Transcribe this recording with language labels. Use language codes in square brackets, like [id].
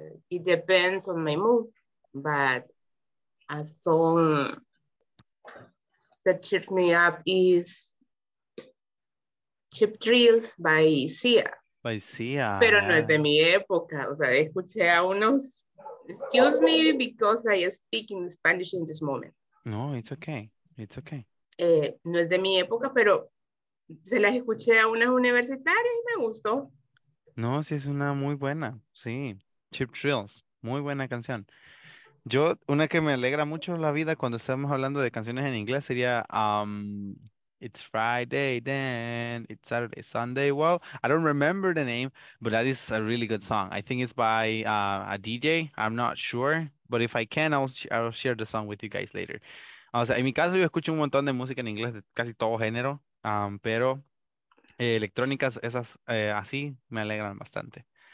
[en] It depends on my mood, but a song that cheers me up is Cheap Thrills by Sia. By Sia. [es] Pero no es de mi época. O sea, escuché a unos. [en] Excuse me because I speak in Spanish in this moment. No, it's okay. It's okay. [es] No es de mi época, pero se las escuché a unas universitarias y me gustó. No, sí, es una muy buena. Sí. Cheap Thrills. Muy buena canción. Yo, una que me alegra mucho la vida cuando estamos hablando de canciones en inglés sería [en] It's Friday, then it's Saturday, Sunday. Well, I don't remember the name, but that is a really good song. I think it's by a DJ. I'm not sure, but if I can, I'll share the song with you guys later. [es] O sea, en mi caso, yo escucho un montón de música en inglés de casi todo género, pero electrónicas, esas así, me alegran bastante.